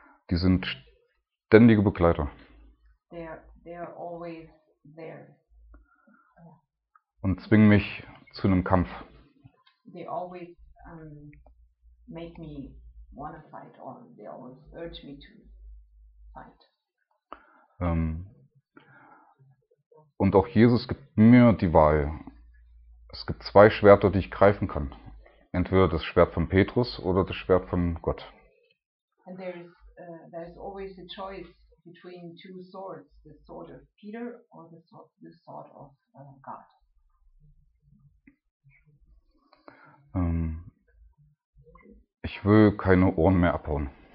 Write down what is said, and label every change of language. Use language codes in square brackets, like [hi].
[de] Die sind ständige Begleiter. [en] They are always there. [de] Und zwingen mich zu einem Kampf. [en] They always make me want to fight, or they always urge me to fight. [de] Und auch Jesus gibt mir die Wahl. Es gibt zwei Schwerter, die ich greifen kann. Entweder das Schwert von Petrus oder das Schwert von Gott. [en] And there is always a choice between two swords, the sword of Peter or the sword of God. [de] Ich will keine Ohren mehr abhauen.